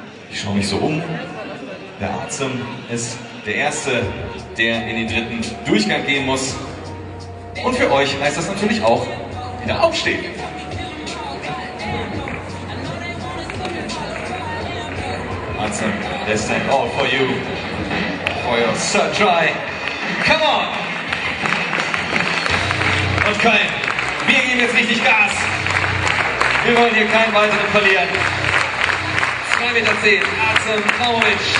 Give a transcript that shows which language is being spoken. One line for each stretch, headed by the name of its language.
German: Ich schaue mich so um. Der Artem ist der Erste, der in den dritten Durchgang gehen muss. Und für euch heißt das natürlich auch wieder aufstehen.
English: Artem, let's thank all for you for your third try. Come on!
German: Und Köln, wir geben jetzt richtig Gas. Wir wollen hier keinen weiteren verlieren. 2,10 Meter, Artem Naumovic.